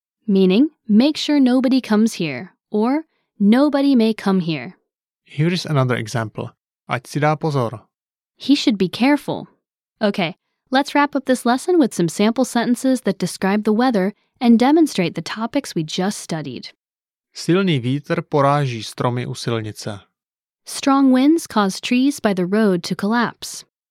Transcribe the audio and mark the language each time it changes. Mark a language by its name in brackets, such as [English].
[English] meaning, make sure nobody comes here, or nobody may come here. Here is another example. [Czech] Ať si dá pozor, [English] he should be careful. Okay, let's wrap up this lesson with some sample sentences that describe the weather and demonstrate the topics we just studied. [Czech] Silný vítr poráží stromy u silnice. [English] Strong winds cause trees by the road to collapse.